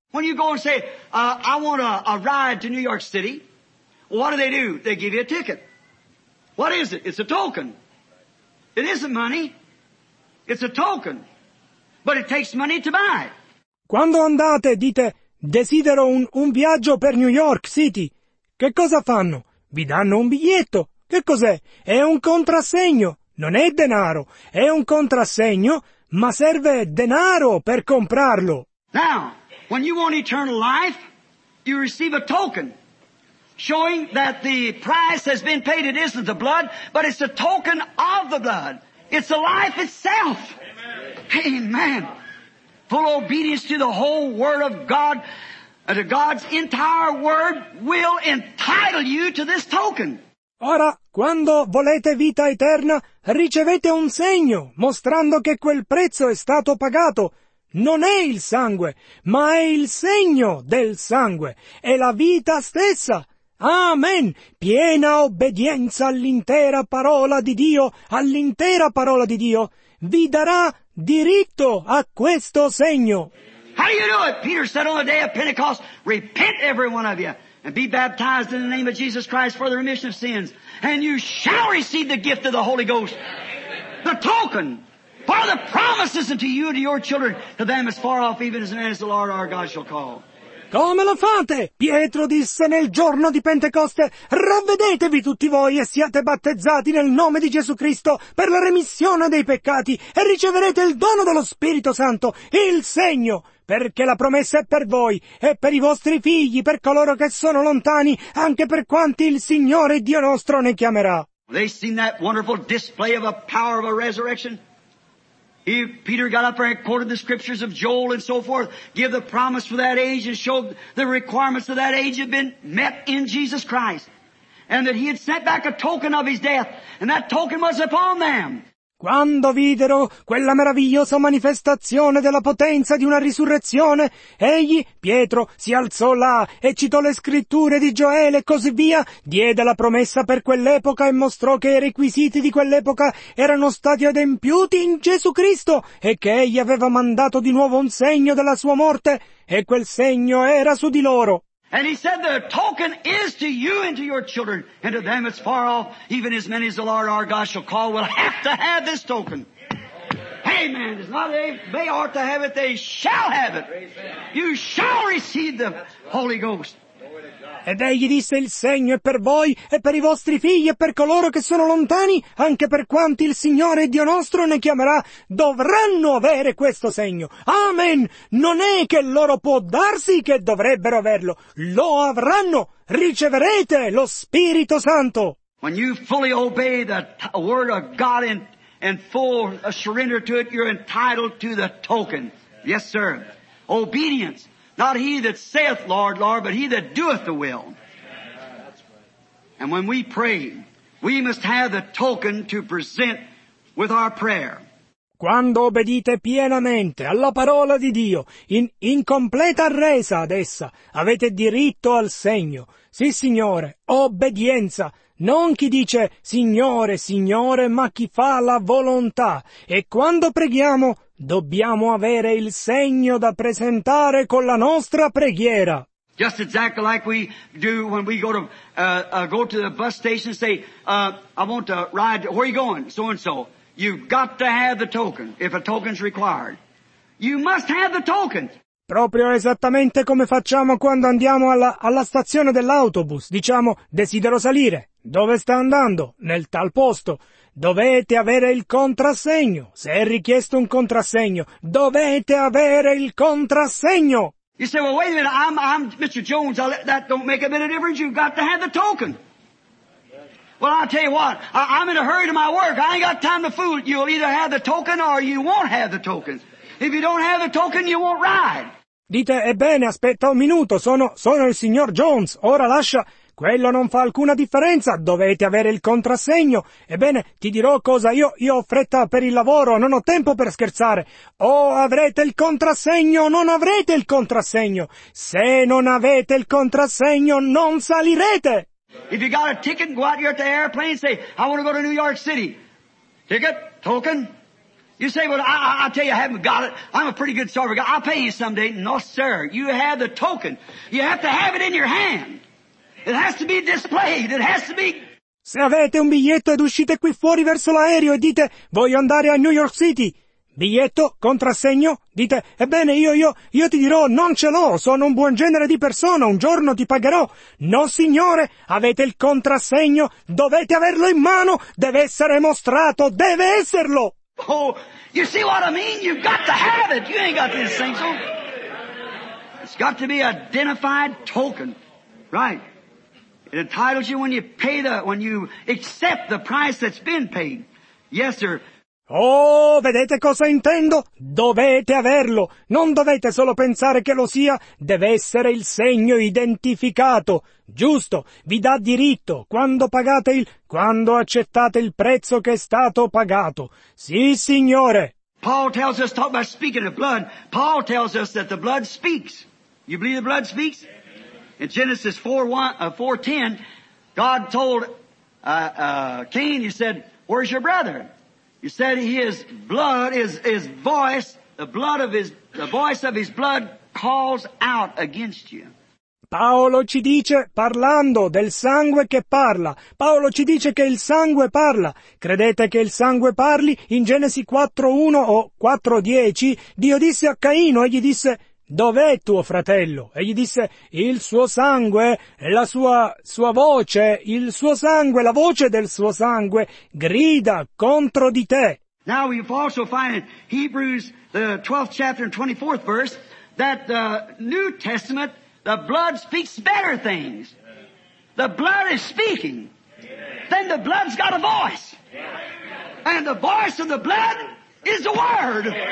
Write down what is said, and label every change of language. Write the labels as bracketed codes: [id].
[en] When you go and say, I want a ride to New York City, what do? They give you a ticket. What is it? It's a token. It isn't money. It's a token. But it takes money to buy. [it] Quando andate, dite, desidero un viaggio per New York City. Che cosa fanno? Vi danno un biglietto. Che cos'è? È un contrassegno. Non è denaro. È un contrassegno, ma serve denaro per comprarlo. [en] Now, when you want eternal life, you receive a token. Showing that the price has been paid, it isn't the blood, but it's a token of the blood. It's the life itself. Amen. Amen. Full obedience to the whole word of God, And God's entire word will entitle you to this token. [it] Ora, quando volete vita eterna, ricevete un segno mostrando che quel prezzo è stato pagato. Non è il sangue, ma è il segno del sangue, è la vita stessa. Amen! Piena obbedienza all'intera parola di Dio, all'intera parola di Dio, vi darà diritto a questo segno. [en] How do you do it? Peter said on the day of Pentecost, repent every one of you and be baptized in the name of Jesus Christ for the remission of sins, and you shall receive the gift of the Holy Ghost, the token. For the promises unto you and to your children, to them as far off even as the Lord our God shall call. [it] Come lo fate? Pietro disse nel giorno di Pentecoste, ravvedetevi tutti voi e siate battezzati nel nome di Gesù Cristo per la remissione dei peccati e riceverete il dono dello Spirito Santo, il segno, perché la promessa è per voi e per i vostri figli, per coloro che sono lontani, anche per quanti il Signore Dio nostro ne chiamerà. [en] They seen that wonderful display of a power of a resurrection? Peter got up there and quoted the scriptures of Joel and so forth, give the promise for that age and showed the requirements of that age had been met in Jesus Christ. And that he had sent back a token of his death, and that token was upon them. [it] Quando videro quella meravigliosa manifestazione della potenza di una risurrezione, egli, Pietro, si alzò là e citò le scritture di Gioele e così via, diede la promessa per quell'epoca e mostrò che i requisiti di quell'epoca erano stati adempiuti in Gesù Cristo e che egli aveva mandato di nuovo un segno della sua morte e quel segno era su di loro. [en] And he said, the token is to you and to your children, and to them that's far off, even as many as the Lord our God shall call, will have to have this token. Amen. It's not they are to have it, they shall have it. You shall receive the Holy Ghost. [it] Ed egli disse, il segno è per voi, e per i vostri figli, e per coloro che sono lontani, anche per quanti il Signore Dio nostro ne chiamerà, dovranno avere questo segno. Amen! Non è che loro può darsi che dovrebbero averlo. Lo avranno! Riceverete lo Spirito Santo! [en] When you fully obey the word of God and full surrender to it, you're entitled to the token. Yes, sir. Obedience. Not he that saith, Lord, Lord, but he that doeth the will. And when we pray, we must have the token to present with our prayer. [it] Quando obbedite pienamente alla parola di Dio, in completa resa ad essa, avete diritto al segno. Sì, Signore, obbedienza. Non chi dice, Signore, Signore, ma chi fa la volontà. E quando preghiamo, dobbiamo avere il segno da presentare con la nostra preghiera. [en] Just exactly like we do when we go to the bus station and say, I want to ride, where are you going, so and so. You've got to have the token, if a token's required. You must have the token. [it] Proprio esattamente come facciamo quando andiamo alla stazione dell'autobus. Diciamo, desidero salire. Dove sta andando? Nel tal posto. Dovete avere il contrassegno. Se è richiesto un contrassegno, dovete avere il contrassegno. [en] You say, well, wait a minute, I'm Mr. Jones, that don't make a bit of difference. You've got to have the token. Well, I'll tell you what, I'm in a hurry to my work. I ain't got time to fool. You'll either have the token or you won't have the token. If you don't have the token, you won't ride. [it] Dite, ebbene, aspetta un minuto, sono il signor Jones, ora lascia. Quello non fa alcuna differenza, dovete avere il contrassegno. Ebbene, ti dirò cosa, io ho fretta per il lavoro, non ho tempo per scherzare. O avrete il contrassegno o non avrete il contrassegno. Se non avete il contrassegno, non salirete. [en] If you got a ticket, go out here at the airplane and say, I want to go to New York City. Ticket? Token? You say, well, I tell you, I haven't got it. I'm a pretty good sort of guy. I'll pay you someday. No, sir. You have the token. You have to have it in your hand. It has to be displayed. It has to be... [it] Se avete un biglietto ed uscite qui fuori verso l'aereo e dite, voglio andare a New York City. Biglietto? Contrassegno? Dite, ebbene, io ti dirò, non ce l'ho. Sono un buon genere di persona. Un giorno ti pagherò. No, signore. Avete il contrassegno. Dovete averlo in mano. Deve essere mostrato. Deve esserlo. [en] Oh, you see what I mean? You've got to have it. You ain't got this thing, so. It's got to be an identified token, right? It entitles you when you accept the price that's been paid. Yes, sir. [it] Oh, vedete cosa intendo? Dovete averlo! Non dovete solo pensare che lo sia, deve essere il segno identificato. Giusto, vi dà diritto, quando accettate il prezzo che è stato pagato. Sì, signore! [en] Paul tells us, talk about speaking of blood, Paul tells us that the blood speaks. You believe the blood speaks? In Genesis 4:10, God told Cain, he said, where's your brother? He said his blood is his voice, the voice of his blood calls out against you. [it] Paolo ci dice, parlando del sangue che parla, Paolo ci dice che il sangue parla. Credete che il sangue parli? In Genesi 4:1 o 4:10, Dio disse a Caino e gli disse, dov'è tuo fratello? E gli disse, il suo sangue, la sua voce, il suo sangue, la voce del suo sangue, grida contro di te. [en] Now we also find in Hebrews, the 12th chapter and 24th verse, that the New Testament, the blood speaks better things. The blood is speaking. Then the blood's got a voice. And the voice of the blood is the word.